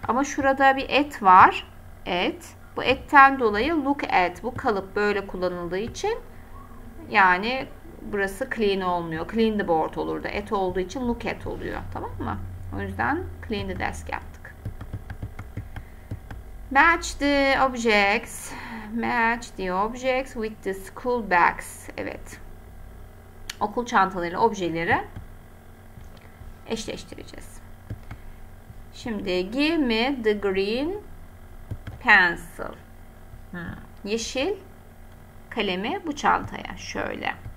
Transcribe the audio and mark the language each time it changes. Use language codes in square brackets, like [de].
[tr] Ama şurada bir at var, at. Bu etten dolayı look at, bu kalıp böyle kullanıldığı için yani burası clean olmuyor. Clean the board olur da. At olduğu için look at oluyor. Tamam mı? O yüzden clean the desk yaptık. [en] Match the objects. Match the objects with the school bags. [tr] Evet. Okul çantaları, objeleri eşleştireceğiz. [en] Şimdi give me the green pencil. [tr] Yeşil kalemi bu çantaya. Şöyle.